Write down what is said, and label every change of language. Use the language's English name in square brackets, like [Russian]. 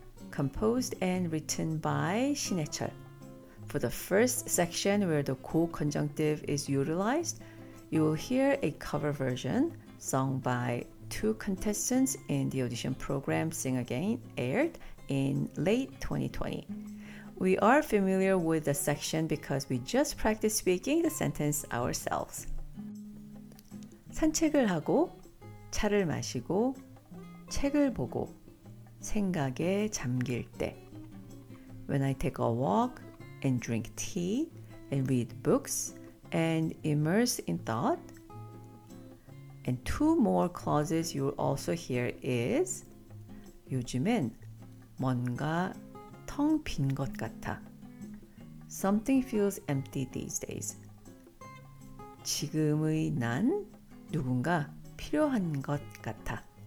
[English] Composed and written by 신해철. For the first section where the 고 conjunctive is utilized, you will hear a cover version sung by two contestants in the audition program Sing Again aired in late 2020. We are familiar with the section because we just practiced speaking the sentence ourselves. [Korean] 산책을 하고, 차를 마시고, 책을 보고, 생각에 잠길 때. [English] When I take a walk and drink tea and read books and immerse in thought. And two more clauses you'll also hear is [Korean] 요즘엔 뭔가 텅 빈 것 같아. [English] Something feels empty these days. [Korean] 지금의 난 누군가 필요한 것 같아.